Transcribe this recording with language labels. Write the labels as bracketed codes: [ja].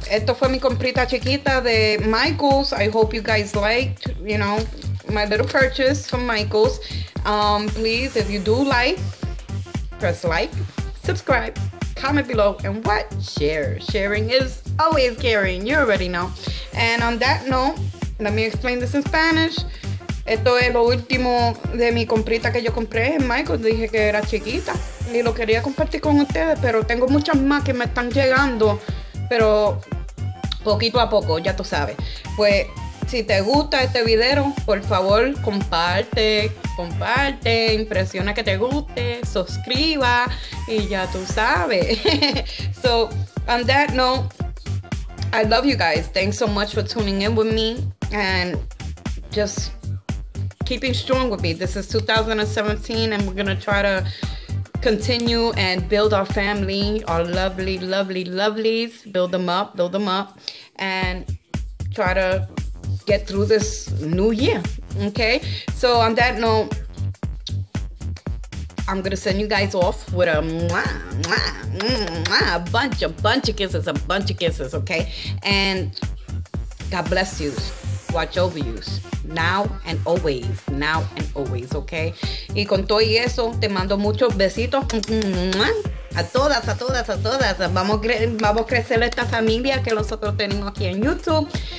[es] Esto fue mi comprita chiquita de Michael's. [en] I hope you guys liked, you know, my little purchase from Michael's. Please, if you do like, press like, subscribe. Comment below, and what? Share. Sharing is always caring. You already know. And on that note, let me explain this in Spanish. [es] Esto es lo último de mi comprita que yo compré en Michael. Dije que era chiquita y lo quería compartir con ustedes, pero tengo muchas más que me están llegando, pero poquito a poco, ya tú sabes. Pues si te gusta este video, por favor, comparte, impresiona que te guste, suscriba y ya tú sabes. [en] So, on that note, I love you guys. Thanks so much for tuning in with me and just keeping strong with me. This is 2017 and we're gonna try to continue and build our family, our lovely, lovely, lovelies. Build them up and try to get through this new year, okay? So on that note, I'm gonna send you guys off with a mwah, mwah, mwah, a bunch of kisses, okay? And God bless you, watch over you, now and always, okay? [es] Y con todo y eso, te mando muchos besitos, a todas, vamos a crecer esta familia que nosotros tenemos aquí en YouTube.